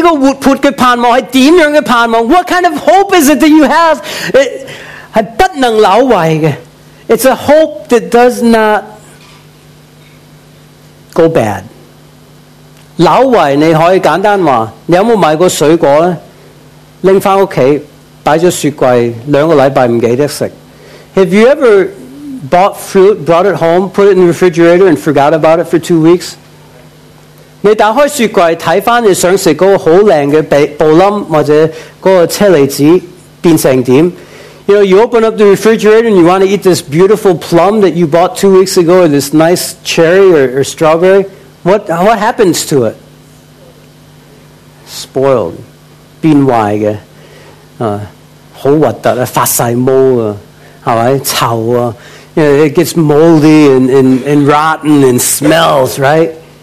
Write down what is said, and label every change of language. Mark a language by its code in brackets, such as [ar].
[zh] 你看这三个不很重要的。你这个活泼的盼望是怎样的盼望? [en] What kind of hope is it that you have? [zh] 是不能扭毁的。 [en] It's a hope that does not go bad. [zh] 扭毁你可以简单说, 你有没有买过水果呢? 拿回家, 放在雪柜, 两个礼拜不记得吃。 [en] Have you ever bought fruit, brought it home, put it in the refrigerator and forgot about it for 2 weeks? [zh] 你打开雪柜,看回你想吃那个很漂亮的布林,或者那个车厘子,变成怎样? [en] You know, you open up the refrigerator and you want to eat this beautiful plum that you bought 2 weeks ago, or this nice cherry or strawberry. What happens to it? Spoiled. [zh] 变坏的, 很噁心, 发晒毛, 是吧? [en] 臭, you know, it gets moldy and rotten and smells, right?